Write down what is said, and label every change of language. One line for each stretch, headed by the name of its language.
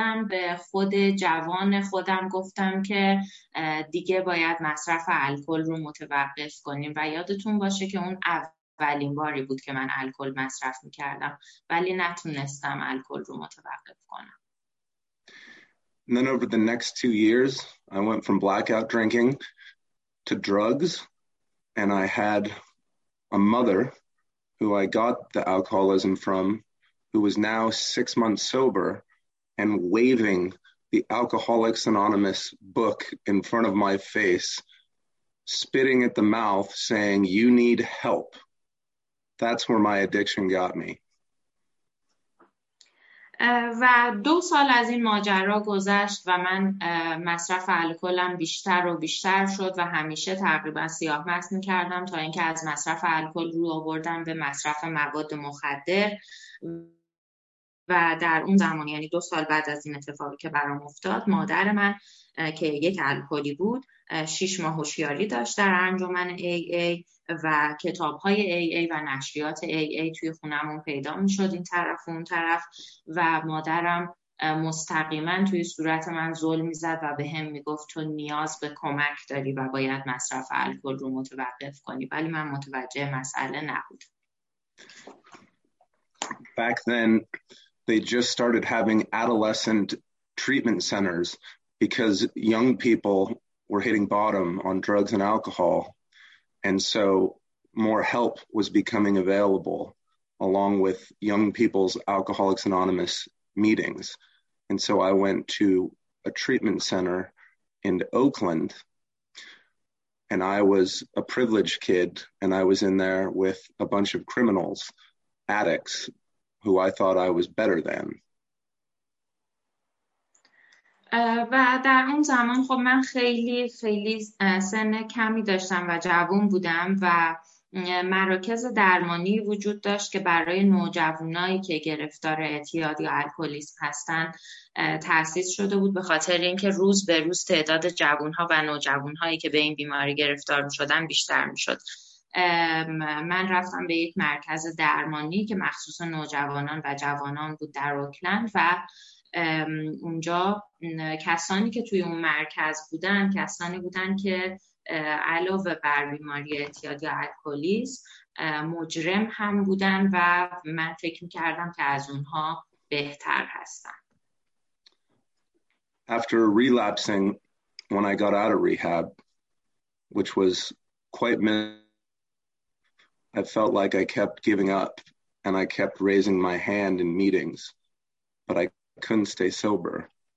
Persian: به خود جوان خودم گفتم که دیگه باید مصرف الکل رو متوقف کنیم. و یادتون باشه که اون اولین باری بود که من الکل مصرف می‌کردم ولی نتونستم الکل رو متوقف کنم.
English: And then over the next 2 years I went from blackout drinking to drugs, and I had a mother who I got the alcoholism from who was now 6 months sober and waving the Alcoholics Anonymous book in front of my face, spitting at the mouth saying you need help. That's where my addiction got me.
Persian: و 2 سال از این ماجرا گذشت و من مصرف الکلم بیشتر و بیشتر شد و همیشه تقریبا سیاه مست می‌کردم تا اینکه از مصرف الکل رو آوردم به مصرف مواد مخدر. و در اون زمان، یعنی 2 سال بعد از این اتفاقی که برام افتاد، مادر من که یک الکلی بود 6 ماه هوشیاری داشت در انجمن AA و کتاب‌های AA و نشریات AA توی خونمون پیدا می‌شد این طرف و اون طرف و مادرم مستقیماً توی صورت من ظلم می‌زد و به هم می‌گفت تو نیاز به کمک داری و باید مصرف الکل رو متوقف کنی، ولی من متوجه مسئله نبودم.
English: Back then they just started having adolescent treatment centers because young people were hitting bottom on drugs and alcohol. And so more help was becoming available along with young people's Alcoholics Anonymous meetings. And so I went to a treatment center in Oakland, and I was a privileged kid, and I was in there with a bunch of criminals, addicts, who I thought I was better than.
Persian: و در اون زمان خب من خیلی خیلی سن کمی داشتم و جوان بودم و مراکز درمانی وجود داشت که برای نوجوانایی که گرفتار اعتیاد یا الکلیسم هستن تأسیس شده بود، به خاطر اینکه روز به روز تعداد جوانها و نوجوانهایی که به این بیماری گرفتار شدن بیشتر میشد. من رفتم به یک مرکز درمانی که مخصوص نوجوانان و جوانان بود در اوکلند و اونجا کسانی که توی اون مرکز بودن کسانی بودن که علاوه بر بیماری اعتیاد یا الکلیسم مجرم هم بودن و من فکر می‌کردم که از اونها بهتر هستن.
English: After relapsing, when I got out of rehab, which was quite I felt like I kept giving up and I kept raising my hand in meetings, but I couldn't stay sober.